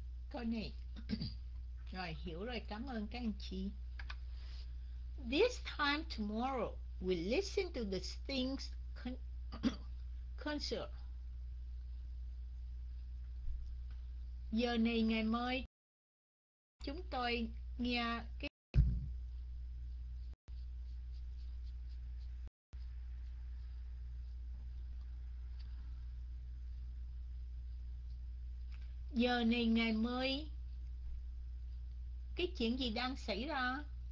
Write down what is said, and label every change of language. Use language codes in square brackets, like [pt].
[vi] Câu này. Rồi, hiểu rồi, cảm ơn các anh chị. [en] This time tomorrow, we listen to the Sting's concert. [vi] Giờ này ngày mai, chúng tôi nghe cái giờ này ngày mới cái chuyện gì đang xảy ra.